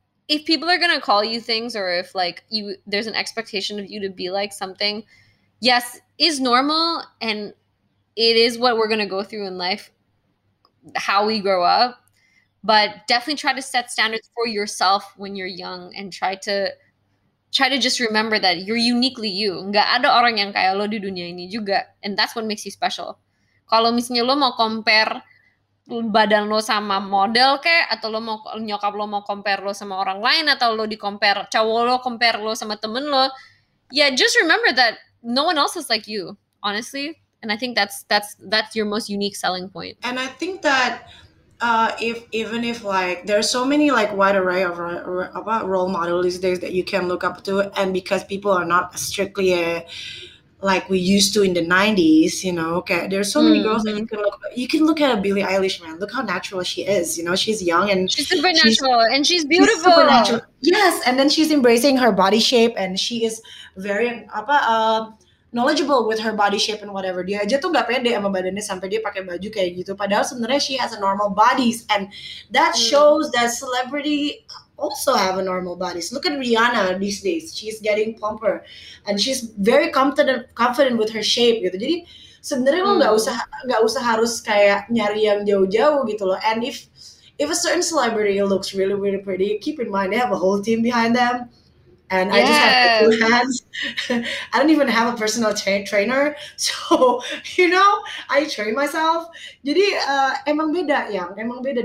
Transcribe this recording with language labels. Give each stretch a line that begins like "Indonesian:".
English: If people are going to call you things or if like you, there's an expectation of you to be like something, yes, is normal. And it is what we're going to go through in life, how we grow up, but definitely try to set standards for yourself when you're young and try to just remember that you're uniquely you.
Indonesian: Nggak ada orang yang kayak lo di dunia ini juga.
English: And that's what makes you special.
Indonesian: Kalau misalnya lo mau compare badan lo sama model kek, atau lo mau, nyokap lo mau compare lo sama orang lain, atau lo di compare, cowok lo compare lo sama temen lo,
English: yeah, just remember that no one else is like you, honestly. And I think that's your most unique selling point. And I think that even if like there's so many like wide array of about role models these days that you can look up to, and because people are not strictly a like we used to in the 90s, you know, okay, there's so many girls that you can look at a Billie Eilish, man, look how natural she is, you know, she's young and she's super natural and she's beautiful. She's super natural. Yes, and then she's embracing her body shape and she is very knowledgeable with her body shape and whatever.
Indonesian: Dia aja tuh gak pede sama badannya sampai dia pakai baju kayak gitu, padahal sebenarnya
English: she has a normal body,
Indonesian: and that shows that celebrity also have a normal body.
English: So look at Rihanna these days. She's getting plumper and she's very confident with her shape gitu.
Indonesian: Jadi sebenarnya lo enggak usah harus kayak nyari yang jauh-jauh gitu loh.
English: And if a certain celebrity looks really really pretty, keep in mind they have a whole team behind them. And yes. I just have two hands. I don't even have a personal trainer. So, you know, I train myself.
Indonesian: Jadi, emang beda, yang. Emang beda.